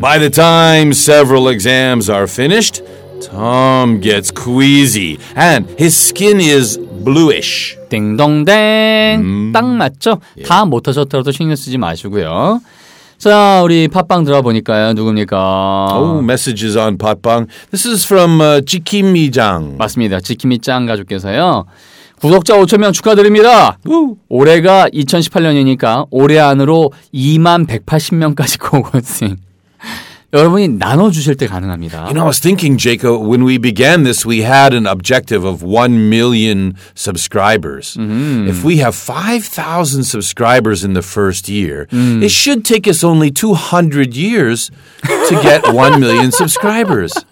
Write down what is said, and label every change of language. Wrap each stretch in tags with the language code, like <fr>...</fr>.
<en>By the time several exams are finished, Tom gets queasy and his skin is bluish.</en> <ko>딩동댕. 딱 맞죠? 다 못하셨더라도 신경 쓰지 마시고요. 자, 우리 팟빵 들어보니까요. 누굽니까?</ko> <en>Oh, messages on 팟빵. This is from 지키미짱.</en> <ko>맞습니다. 지키미짱 가족께서요. 구독자 5,000명 축하드립니다. 우. 올해가 2018년이니까 올해 안으로 2만 180명까지 고고생. 여러분이 나눠주실 때 가능합니다.</ko> <en>You know, I was thinking, Jacob, when we began this, we had an objective of 1 million subscribers. Mm-hmm. If we have 5,000 subscribers in the first year, it should take us only 200 years to get 1 million subscribers.</en>